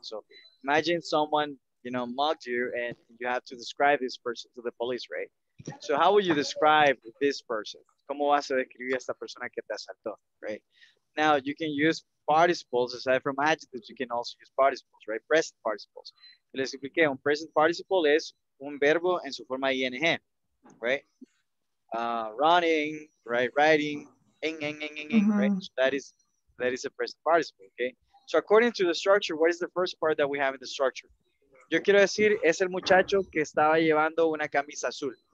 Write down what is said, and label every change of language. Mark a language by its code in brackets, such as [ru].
[en] So imagine someone, you know, mugged you and you have to describe this person to the police, right? So how would you describe this person? [es] ¿Cómo vas a describir a esta persona que te asaltó, right? [en] Now, you can use participles aside from adjectives. You can also use participles, right? Present participles. [es] Les expliqué, un present participle es un verbo en su forma ing, [en] right? Running, right? Writing, right? So that is a present participle, okay? So according to the structure, what is the first part that we have in the structure? [es] Yo quiero decir, es el muchacho que estaba llevando una camisa azul.